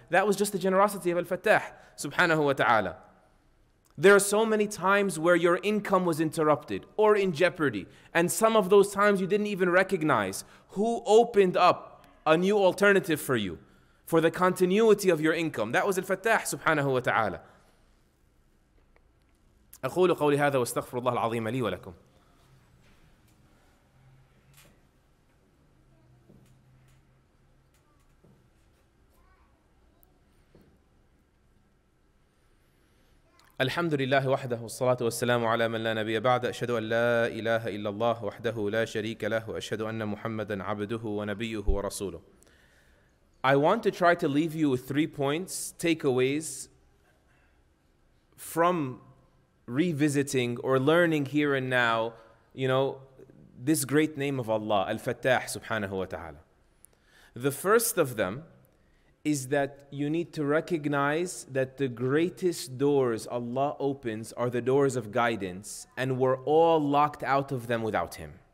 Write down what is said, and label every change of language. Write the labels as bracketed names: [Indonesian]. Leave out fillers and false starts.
[English] That was just the generosity of al-Fattāḥ subhanahu wa ta'ala. There are so many times where your income was interrupted or in jeopardy. And some of those times you didn't even recognize who opened up a new alternative for you, for the continuity of your income. That was al-Fattāḥ subhanahu wa ta'ala. [Arabic] أقول قولي هذا واستغفر الله العظيم لي ولكم. الحمد لله وحده والصلاة والسلام على من لا نبي بعد. أشهد أن لا إله إلا الله وحده لا شريك له وأشهد أن محمدا عبده ونبيه ورسوله. [English] I want to try to leave you with three points, takeaways from revisiting or learning here and now, you know, this great name of Allah, Al-Fattāḥ subhanahu wa ta'ala. The first of them is that you need to recognize that the greatest doors Allah opens are the doors of guidance, and we're all locked out of them without Him.